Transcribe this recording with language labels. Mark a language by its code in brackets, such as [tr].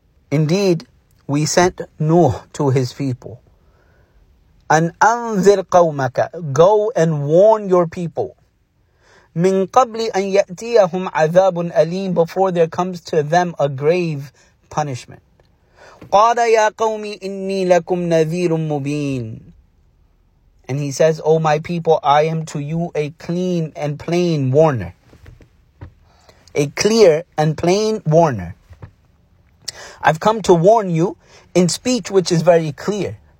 [en] Indeed, we sent Nuh to his people. [ar] أن أنذر قومك, [en] go and warn your people. [ar] من قبل أن يأتيهم عذاب أليم, [en] before there comes to them a grave punishment. [ar] قال يا قومي إني لكم نذير مبين. [en] And he says, O my people, I am to you a clean and plain warner. A clear and plain warner. I've come to warn you in speech which is very clear.